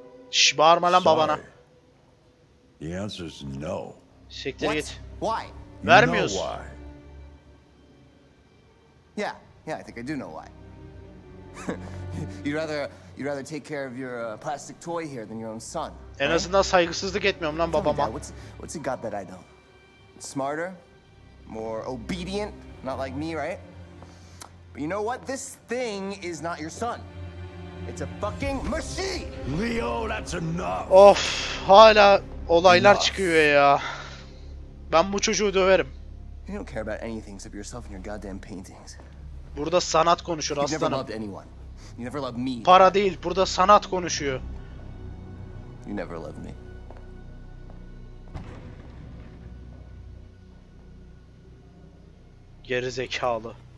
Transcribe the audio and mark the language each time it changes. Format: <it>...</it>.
<tr>Şş, bağırma lan babana.</tr> <en>The answer is no.</en> <tr>Siktir</tr> <en>what?</en> <tr>Git.</tr> <en>Why?</en> <tr>Vermiyorsun.</tr> <en>You know why? Yeah, I think I do know why. You'd rather take care of your plastic toy here than your own son.</en> <tr>En azından saygısızlık etmiyorum lan babama.</tr> <en>What's he got that I don't? Smarter, more obedient, not like me, right? But you know what? This thing is not your son. It's a fucking machine. Leo, that's enough.</en> <tr>Of, hala olaylar çıkıyor ya. Ben bu çocuğu döverim.</tr> <en>You don't care about anything except yourself and your goddamn paintings.</en> <tr>Burada sanat konuşur aslanım.</tr> <en>You never loved anyone. You never loved me.</en> <tr>Para değil, burada sanat konuşuyor.</tr> <en>You never loved me.</en> <tr>Gerizekalı.</tr>